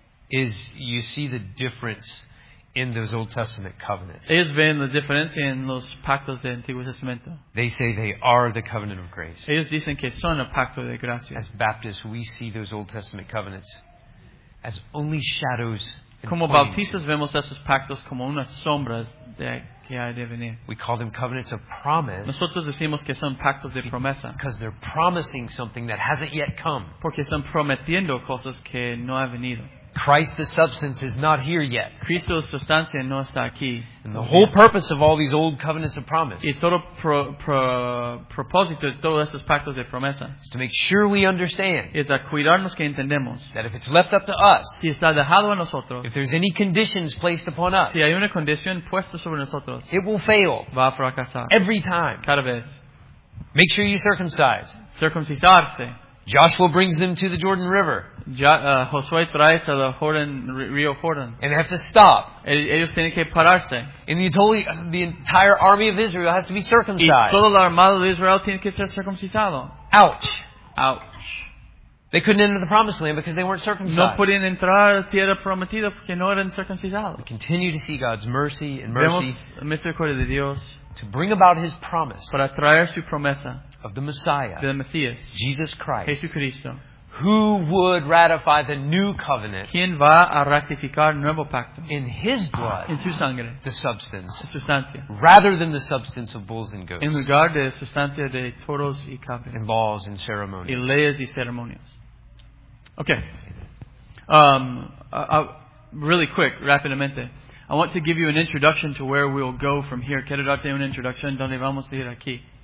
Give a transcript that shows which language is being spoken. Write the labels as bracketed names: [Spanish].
[English] Is you see the difference in those Old Testament covenants. [Spanish] Ellos ven la diferencia en los pactos del Antiguo Testamento. [English] They say they are the covenant of grace. [Spanish] Ellos dicen que son el pacto de gracia. [English] As Baptists, we see those Old Testament covenants as only shadows. [Spanish] Como bautistas vemos esos pactos como unas sombras de que hay de venir. [English] We call them covenants of promise. [Spanish] Nosotros decimos que son pactos de promesa. [English] Because they're promising something that hasn't yet come. [Spanish] Porque están prometiendo cosas que no han venido. [English] Christ the substance is not here yet. [Spanish] Cristo la sustancia no está aquí. [English] And the whole purpose of all these old covenants of promise. [Spanish] Y todo propósito de todos estos pactos de promesa. [English] Is to make sure we understand. [Spanish] Es a cuidarnos que entendemos. [English] That if it's left up to us. [Spanish] Si está dejado a nosotros. [English] If there's any conditions placed upon us. [Spanish] Si hay una condición puesta sobre nosotros. [English] It will fail. [Spanish] Va a fracasar. [English] Every time. [Spanish] Cada vez. [English] Make sure you circumcise. [Spanish] Circuncidarse. [English] Joshua brings them to the Jordan River. [Spanish] Josué trae a la Jordan, Río Jordan. [English] And they have to stop. [Spanish] Ellos tienen que pararse. [English] And the entire army of Israel has to be circumcised. [Spanish] Y toda la armada de Israel tiene que ser circuncidado. Ouch. Ouch. [English] They couldn't enter the promised land because they weren't circumcised. [Spanish] No podían entrar a la tierra prometida porque no eran circuncidados. [English] We continue to see God's mercy and [Spanish] misericordia de Dios. [English] To bring about his promise. [Spanish] Para traer su promesa. [English] Of the Messiah. [Spanish] Del Mesías. [English] Jesus Christ. [Spanish] Jesucristo. [English] Who would ratify the new covenant? [Spanish] ¿Quién va a ratificar nuevo pacto? [English] In his blood. [Spanish] En su sangre. [English] The substance. [Spanish] La sustancia. [English] Rather than the substance of bulls and goats. [Spanish] En lugar de la sustancia de toros y cabras. [English] And laws and ceremonies. [Spanish] Y leyes y ceremonias. [English] Okay. Really quick, [Spanish] rápidamente. [English] I want to give you an introduction to where we'll go from here. [Spanish] Quiero darte una introducción donde vamos a ir aquí.